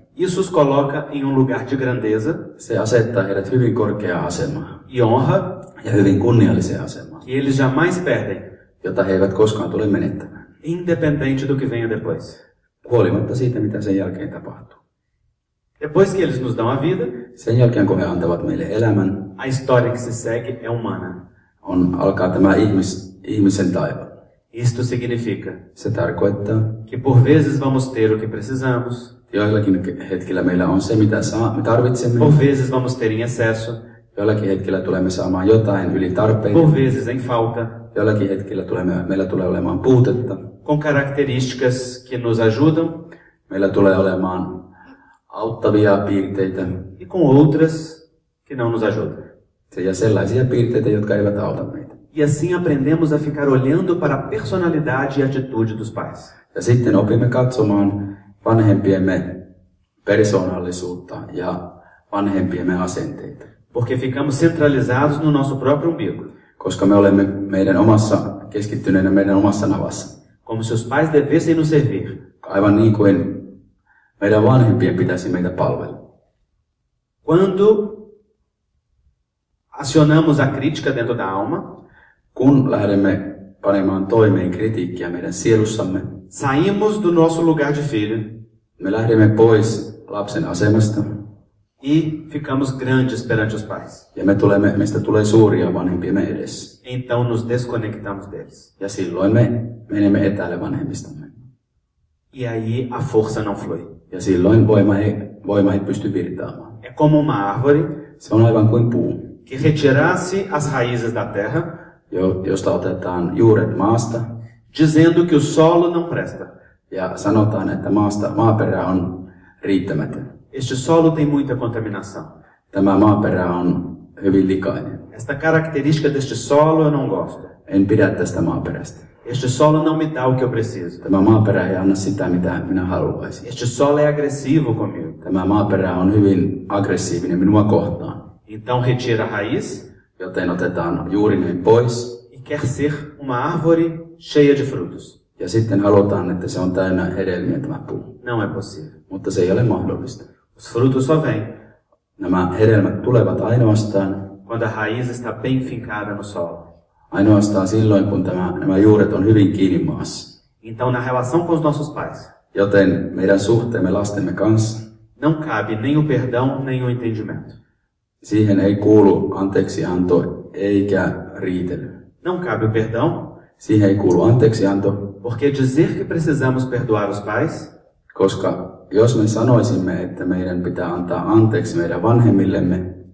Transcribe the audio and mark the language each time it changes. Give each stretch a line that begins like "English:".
Portuguese: Isso os coloca em um lugar de grandeza.
Finnish: Se asetta heidät hyvin korkeaan asemaan.
Portuguese: E honra.
Finnish: Ja hyvin kunnialliseen asemaan.
Portuguese: Que eles jamais perdem.
Finnish: Jota he eivät koskaan tule menettämään.
Portuguese: Independente do que venha depois.
Finnish: Huolimatta siitä, mitä sen jälkeen tapahtuu.
Portuguese: Depois que eles nos dão a vida.
Finnish: Sen jälkeen, kun he antavat meille elämän.
Portuguese: A história que se segue é humana.
Finnish: On, alkaa tämä ihmisen taiva.
Portuguese: Isto significa.
Finnish: Se tarkoittaa.
Portuguese: Que por vezes vamos ter o que precisamos.
Finnish: Joillakin hetkellä meillä on se, mitä me tarvitsemme.
Portuguese: Por vezes vamos ter em excesso.
Finnish: Joillakin hetkellä tulemme saamaan jotain yli tarpeen.
Portuguese: Por vezes em falta.
Finnish: Joillakin hetkellä meillä tulee olemaan puutetta.
Portuguese: Com características que nos ajudam.
Finnish: Meillä tulee olemaan auttavia piirteitä.
Portuguese: E com outras que não nos ajudam.
Finnish: Ja sellaisia piirteitä, jotka eivät auta meitä.
Portuguese: E assim aprendemos a ficar olhando para a personalidade e atitude dos pais.
Finnish: Ja sitten opimme katsomaan vanhempiemme persoonallisuutta ja vanhempiemme asenteita.
Portuguese: Porque ficamos centralizados no nosso próprio umbigo.
Finnish: Koska me olemme meidän omassa keskittyneenä meidän omassa navassa.
Portuguese: Como se os pais devessem nos servir.
Finnish: Aivan niin kuin meidän vanhempien pitäisi meitä palvella.
Portuguese: Quando acionamos a crítica dentro da alma,
Finnish: kun lähdemme panemaan toimeen kritiikkiä meidän sielussamme,
Portuguese: saímos do nosso lugar de filho.
Finnish: Me lähdemme pois lapsen asemasta.
Portuguese: E ficamos grandes perante os pais.
Finnish: Ja meistä tulee suuria vanhempiemme edessä.
Portuguese: Então nos desconectamos deles.
Finnish: Ja silloin me menemme etäälle vanhemmistamme.
Portuguese: E aí a força não flui.
Finnish: Ja silloin voima ei pysty virtaamaan.
Portuguese: É como uma árvore.
Finnish: Se on aivan kuin puu.
Portuguese: Que retirasse as raízes da terra.
Finnish: Josta otetaan juuret maasta.
Portuguese: Dizendo que o solo não presta.
Finnish: Ja sanotaan, että maaperä on riittämätön.
Portuguese: Este solo tem muita contaminação.
Finnish: Tämä maaperä on hyvin likainen.
Portuguese: Esta característica deste solo eu não gosto.
Finnish: En pidä tästä maaperästä.
Portuguese: Este solo não me dá o que eu preciso.
Finnish: Tämä maaperä ei anna sitä, mitä minä haluaisin.
Portuguese: Este solo é agressivo comigo.
Finnish: Tämä maaperä on hyvin aggressiivinen minua kohtaan.
Portuguese: Então retira a raiz.
Finnish: Joten otetaan juurineen pois.
Portuguese: E quer ser uma árvore cheia de frutos.
Finnish: Ja sitten halutaan, että se on täynnä hedelmiä tämä puu.
Portuguese: Não é possível.
Finnish: Mutta se ei ole mahdollista.
Portuguese: Os frutos só vêm.
Finnish: Nämä hedelmät tulevat ainoastaan.
Portuguese: Quando a raiz está bem fincada no solo.
Finnish: Ainoastaan silloin, kun nämä juuret on hyvin kiinni maassa.
Portuguese: Então na relação com os nossos pais.
Finnish: Joten meidän suhteemme lastemme kanssa.
Portuguese: Não cabe nem o perdão, nem o entendimento.
Finnish: Siihen ei kuulu anteeksianto eikä riitely.
Portuguese: Não cabe o perdão.
Finnish: Siihen ei kuulu anteeksianto.
Portuguese: Porque dizer que precisamos perdoar os pais.
Finnish: Koska jos me sanoisimme, että meidän pitää antaa anteeksi meidän vanhemmillemme.